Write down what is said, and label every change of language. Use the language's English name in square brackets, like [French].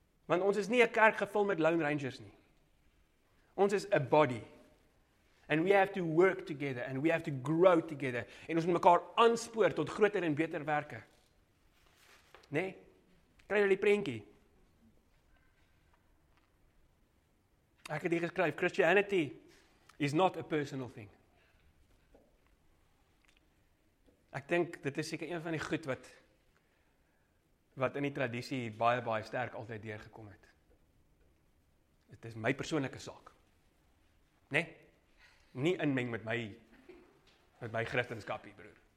[Afrikaans] Want ons is nie 'n kerk gevul met [English] lone rangers [Afrikaans] nie. Ons is [English] a body. And we have to work together and we have to grow together. [Afrikaans] En ons moet mekaar aanspoor tot groter en beter werke. Nee? Kry jy die prentjie? Ek het hier geskryf, [English] Christianity is not a personal thing. [Afrikaans] Ek dink dit is seker een van die goed wat in die tradisie baie, baie sterk altyd deurgekom het. Dit is my persoonlike saak. Nee? Nie inmeng met my Christenskapie, broer.